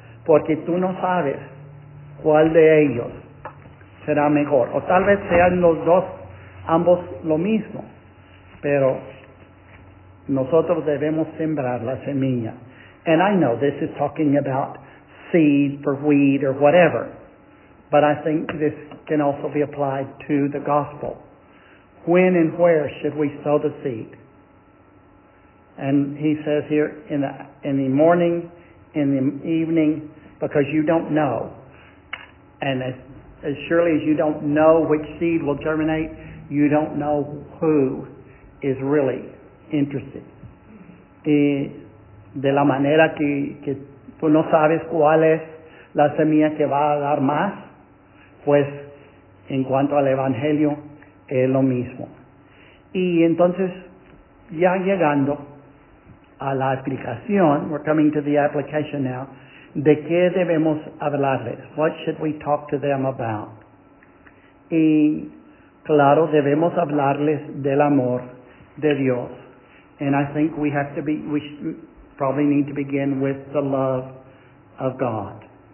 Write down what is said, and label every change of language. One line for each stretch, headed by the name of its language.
Spanish: Porque tú no sabes cuál de ellos será mejor. O tal vez sean los dos, ambos lo mismo. Pero nosotros debemos sembrar la semilla.
English: And I know this is talking about seed for wheat or whatever, but I think this can also be applied to the gospel. When and where should we sow the seed? And he says here, in the morning, in the evening, because you don't know. And as surely as you don't know which seed will germinate, you don't know who is really interested.
Spanish: Y de la manera que tú no sabes cuál es la semilla que va a dar más, pues en cuanto al evangelio es lo mismo. Y entonces, ya llegando a la aplicación,
English: we're coming to the application now,
Spanish: ¿de qué debemos hablarles?
English: What should we talk to them about?
Spanish: Y claro, debemos hablarles del amor de Dios.
English: And I think we probably need to begin with the love of God.